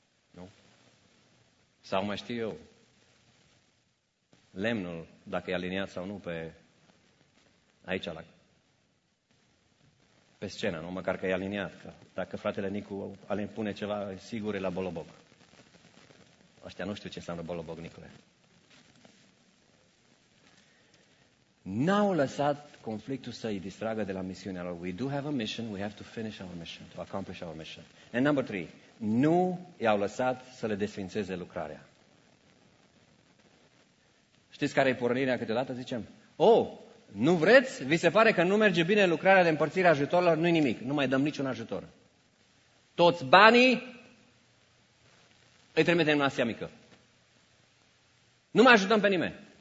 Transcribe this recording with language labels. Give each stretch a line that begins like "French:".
Romanian: Nu? Sau mai știu eu. Lemnul, dacă e aliniat sau nu, pe aici, la, pe scenă, nu? Măcar că e aliniat. Că dacă fratele Nicu pune ceva, sigur e la Bolobog. Ăștia nu știu ce înseamnă Bolobog, Nicule. N-au lăsat conflictul să îi distragă de la misiunea lor.
English: We do have a mission, we have to finish our mission, to accomplish our mission. And number three,
Romanian: nu i-au lăsat să le desfințeze lucrarea. Știți care e pornirea câteodată, zicem? Oh, nu vreți? Vi se pare că nu merge bine lucrarea de împărțire a ajutorilor? Nu-i nimic, nu mai dăm niciun ajutor. Toți banii îi trimitem în Asia Mică. Nu mai ajutăm pe nimeni.